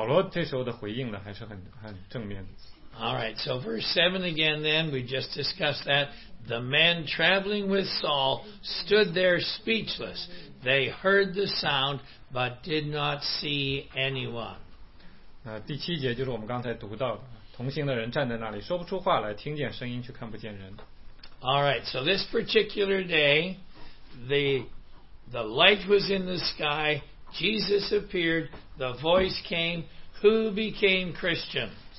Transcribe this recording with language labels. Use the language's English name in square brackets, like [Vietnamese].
[Chinese] 所以在整个使徒行传里啊，保罗讲这件事，讲了三遍，所以每一次呢，他的提供的细节呢，都有一些的不同。所以呢，你可以把这三个地方呢全部综合起来，你就知道当时他讲的所有的话是什么样。所以他刚才讲到还有一句，像用脚踢刺是这里没讲到的，使徒行传26章有。那这里呢，他说扫罗当时还问了一句，说主啊，你到底要我做什么？所以扫罗这时候的回应呢，还是很正面的。 [English] Alright, so verse 7 again then, we just discussed that. The men traveling with Saul stood there speechless. They heard the sound, but did not see anyone. [Chinese] 第七节就是我们刚才读到的, 同行的人站在那里, 说不出话来, 听见声音, 却看不见人。 [English] Alright, so this particular day, the light was in the sky, Jesus appeared, the voice came, who became Christian?